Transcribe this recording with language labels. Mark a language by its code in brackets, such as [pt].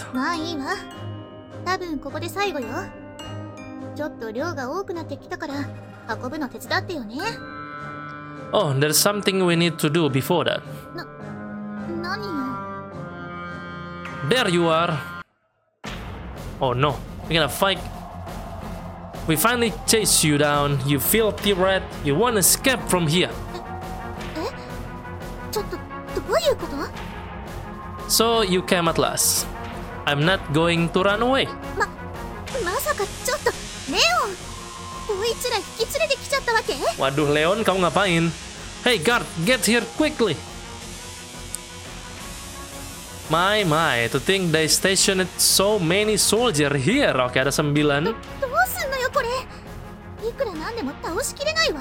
[ja] まあいいわ。多分ここで最後よ。ちょっと量が多くなってきたから運ぶの手伝ってよね。 [en] Oh, there's something we need to do before that. [ja] なにや? [en] There you are. Oh no, we're gonna fight. We finally chase you down, you filthy rat. You won't escape from here. [ja] え、ちょっとどういうこと? [en] So you came at last. I'm not going to run away. [ja] まさかちょっと Leon, こいつら引き連れてきちゃったわけ? [id] Waduh, Leon, kamu ngapain? [en] Hey, guard, get here quickly! My, to think they stationed so many soldiers here. Okay, [id] ada 9. [ja] どうすんのよこれ?いくらなんでも倒しきれないわ?